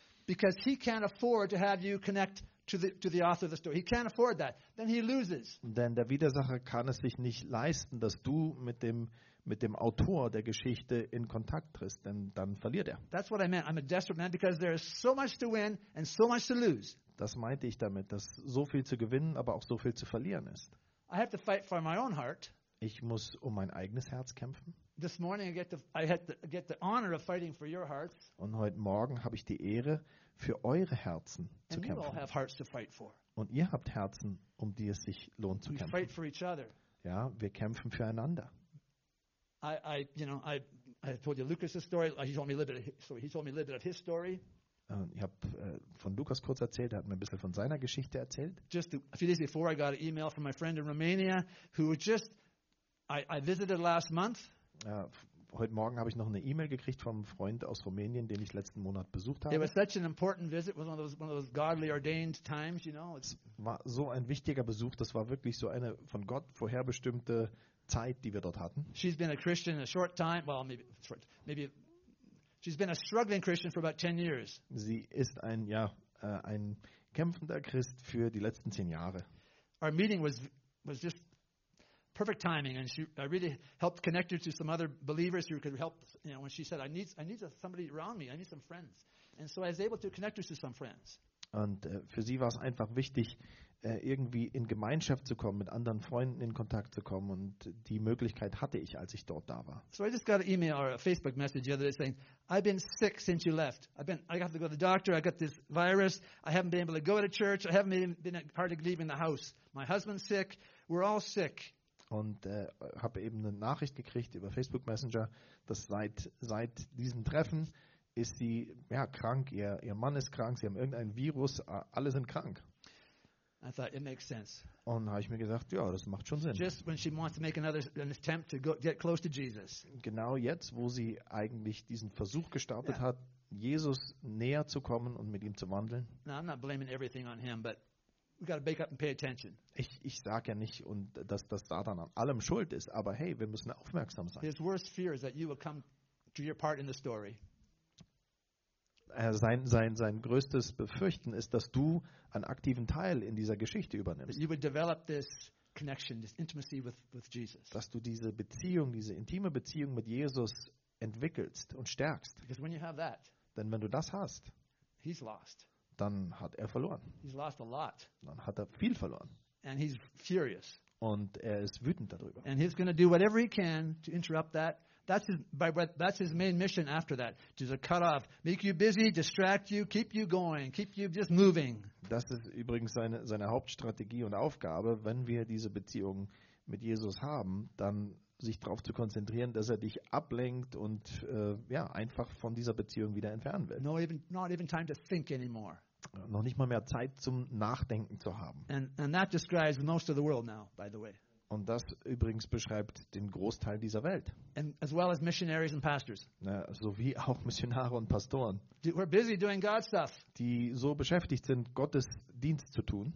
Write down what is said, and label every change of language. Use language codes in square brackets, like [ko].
[en] Because he can't afford to have you connect to the author of the story. He can't afford that. Then he loses. [de] Denn der Widersacher kann es sich nicht leisten, dass du mit dem Autor der Geschichte in Kontakt triffst, denn dann verliert er. [en] That's what I meant. I'm a desperate man because there is so much to win and so much to lose. [de] Das meinte ich damit, dass so viel zu gewinnen, aber auch so viel zu verlieren ist. [en] I have to fight for my own heart. [de] Ich muss um mein eigenes Herz kämpfen. [en] This morning I get the honor of fighting for your hearts. [de] Und heute Morgen habe ich die Ehre, für eure Herzen zu kämpfen. [en] And you all have hearts to fight for. [de] Und ihr habt Herzen, um die es sich lohnt zu kämpfen. [en] We fight for each other. [de] Ja, wir kämpfen füreinander. [en] I told you Lucas's story. He told me a little bit of his story. [de] Ich habe von Lukas kurz erzählt, er hat mir ein bisschen von seiner Geschichte erzählt. [en] Just a few days before I got an email from my friend in Romania who just I visited last month. [de] Heute Morgen habe ich noch eine E-Mail gekriegt vom Freund aus Rumänien, den ich letzten Monat besucht habe. [en] It was such an important visit. It was one of those godly ordained times, you know. [de] Es war so ein wichtiger Besuch, das war wirklich so eine von Gott vorherbestimmte Zeit, die wir dort hatten. [en] She's been a Christian a short time, well maybe she's been a struggling Christian for about 10 years. [de] Sie ist ein kämpfender Christ für die letzten 10 Jahre. [en] Our meeting was just perfect timing, and I really helped connect her to some other believers who could help. You know, when she said, "I need somebody around me. I need some friends," and so I was able to connect her to some friends. [de] Und für sie war es einfach wichtig, irgendwie in Gemeinschaft zu kommen, mit anderen Freunden in Kontakt zu kommen, und die Möglichkeit hatte ich, als ich dort da war. [en] So I just got an email or a Facebook message the other day saying, "I've been sick since you left. I have to go to the doctor. I got this virus. I haven't been able to go to church. I haven't even been part of leaving the house. My husband's sick. We're all sick." [de] Und habe eben eine Nachricht gekriegt über Facebook Messenger, dass seit diesem Treffen ist sie krank, ihr Mann ist krank, sie haben irgendein Virus, alle sind krank. [en] I thought it makes sense. [de] Und habe ich mir gesagt, ja, das macht schon Sinn. [en] Just when she wants to make another attempt to get close to Jesus. [de] Genau jetzt, wo sie eigentlich diesen Versuch gestartet hat, Jesus näher zu kommen und mit ihm zu wandeln. [en] Now, I'm not blaming everything on him, but we got to wake up and pay attention. [de] Ich sage ja nicht, und dass das Satan an allem schuld ist, aber hey, wir müssen aufmerksam sein. [en] His worst fear is that you will come to your part in the story. [de] Sein größtes Befürchten ist, dass du einen aktiven Teil in dieser Geschichte übernimmst. [en] You would develop this connection, this intimacy with Jesus. [de] Dass du diese Beziehung, diese intime Beziehung mit Jesus entwickelst und stärkst. [en] Because when you have that, [de] denn wenn du das hast, [en] he's lost. [de] Dann hat er verloren. [en] He's lost a lot. [de] Dann hat er viel verloren. [en] And he's furious. [de] Und er ist wütend darüber. [en] And he's going to do whatever he can to interrupt that. That's his main mission after that. Just to cut off, make you busy, distract you, keep you going, keep you just moving. [de] Das ist übrigens seine Hauptstrategie und Aufgabe, wenn wir diese Beziehung mit Jesus haben, dann sich darauf zu konzentrieren, dass er dich ablenkt und einfach von dieser Beziehung wieder entfernen will. [en] Not even time to think anymore. [de] Noch nicht mal mehr Zeit zum Nachdenken zu haben. [en] And that describes most of the world now, by the way. [de] Und das übrigens beschreibt den Großteil dieser Welt. [en] And as well as missionaries and pastors. [de] Ja, sowie auch Missionare und Pastoren. [en] We're busy doing God stuff. [de] Die so beschäftigt sind, Gottes Dienst zu tun.